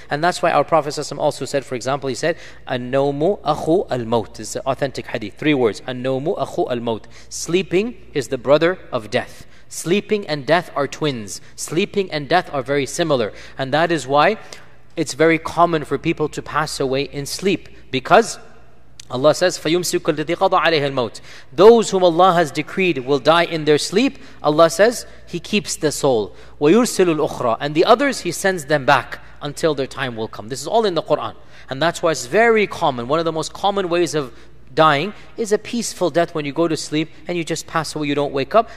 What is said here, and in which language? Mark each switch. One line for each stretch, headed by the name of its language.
English: And that's why our Prophet ﷺ also said, for example, he said,
Arabic: An-nawmu akhu al-maut.
English: This is an authentic hadith. Three words.
Arabic: An-nawmu akhu al-maut.
English: Sleeping is the brother of death. Sleeping and death are twins. Sleeping and death are very similar. And that is why it's very common for people to pass away in sleep. Because Allah says,
Arabic: فَيُمْسِكُ الَّذِي قَضَى عَلَيْهِ الْمَوْتِ.
English: Those whom Allah has decreed will die in their sleep, Allah says, He keeps the soul.
Arabic: وَيُرْسِلُ الْأُخْرَى.
English: And the others, He sends them back until their time will come. This is all in the Quran. And that's why it's very common. One of the most common ways of dying is a peaceful death when you go to sleep and you just pass away, you don't wake up.